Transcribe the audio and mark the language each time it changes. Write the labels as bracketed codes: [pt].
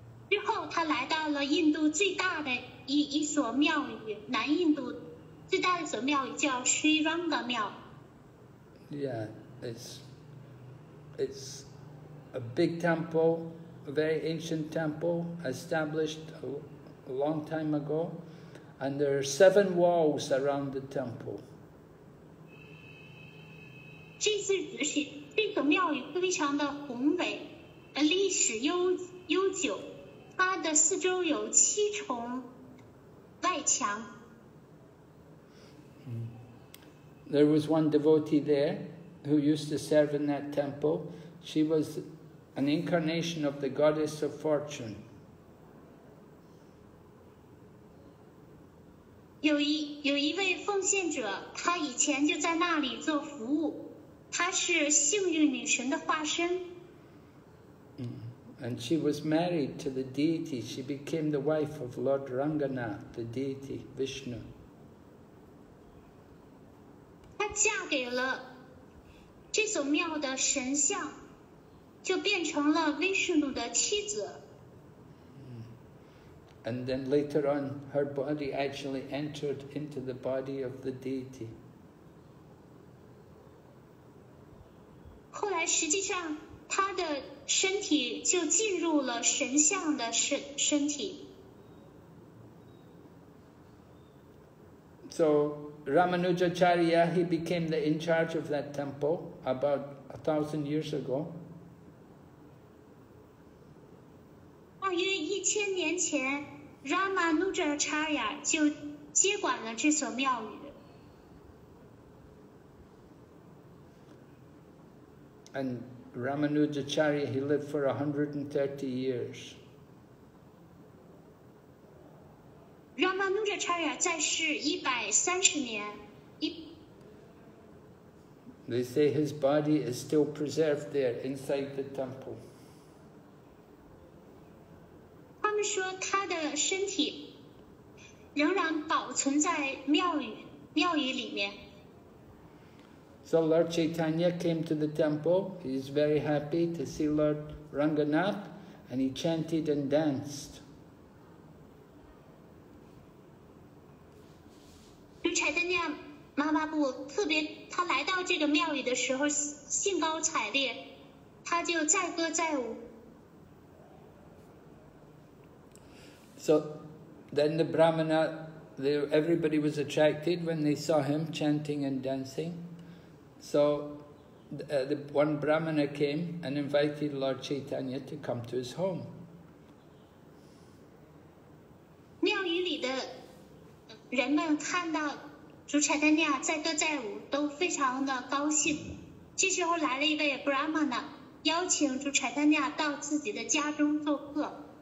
[zh] 之后他来到了印度最大的 一所庙宇，南印度最大的一所庙宇叫 Sri Ranga 庙。 [en] Yeah, it's a big temple, a very ancient temple, established a long time ago, and there are seven walls around the temple. [zh] 这所庙宇非常的宏伟，历史悠久。它的四周有七重外墙。 [en] There was one devotee there who used to serve in that temple. She was an incarnation of the goddess of fortune. [zh] 有一位奉献者，他以前就在那里做服务，他是幸运女神的化身。 [en] And she was married to the deity. She became the wife of Lord Ranganath, the deity, Vishnu. [zh] 她嫁给了这所庙的神像，就变成了 Vishnu 的妻子。 [en] And then later on, her body actually entered into the body of the deity. [zh] 后来实际上她的身体就进入了神像的身体。 [en] So Ramanujacharya, he became the in charge of that temple about 1,000 years ago. [zh] 大约一千年前 ，Ramanujacharya 就接管了这所庙宇。 [en] And Ramanujacharya, he lived for 130 years. [zh] Ramanujacharya 在世130年。 [en] They say his body is still preserved there inside the temple. [zh] 他们说他的身体仍然保存在庙宇里面。 [en] So Lord Chaitanya came to the temple. He is very happy to see Lord Ranganath, and he chanted and danced. [zh] Lord Chaitanya Mahaprabhu 特别，他来到这个庙宇的时候兴高采烈，他就载歌载舞。 [en] So then the Brahmana, everybody was attracted when they saw him chanting and dancing. So the one Brahmana came and invited Lord Chaitanya to come to his home. [zh] 庙宇里的人们看到主柴丹尼亚载歌载舞都非常的高兴，这时候来了一位Brahmana，邀请主柴丹尼亚到自己的家中做客。